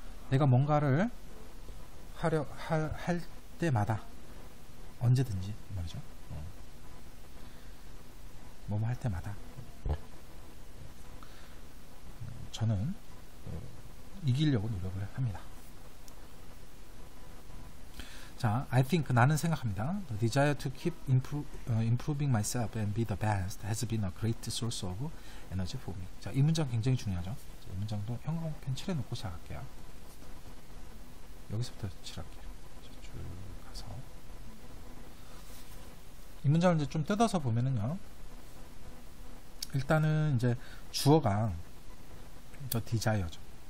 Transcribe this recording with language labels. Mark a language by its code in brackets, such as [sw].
[ko] 내가 뭔가를 하려 할 때마다 언제든지 말이죠. 뭐뭐 할 때마다 저는 이기려고 노력을 합니다. 자, [en] I think [ko] 나는 생각합니다. [en] The desire to keep improving myself and be the best has been a great source of energy for me. [ko] 자, 이 문장 굉장히 중요하죠. 자, 이 문장도 형광펜 칠해 놓고 시작할게요. 여기서부터 칠할게요. 쭉 가서 이 문장을 이제 좀 뜯어서 보면은요. 일단은 이제 주어가 the desire죠.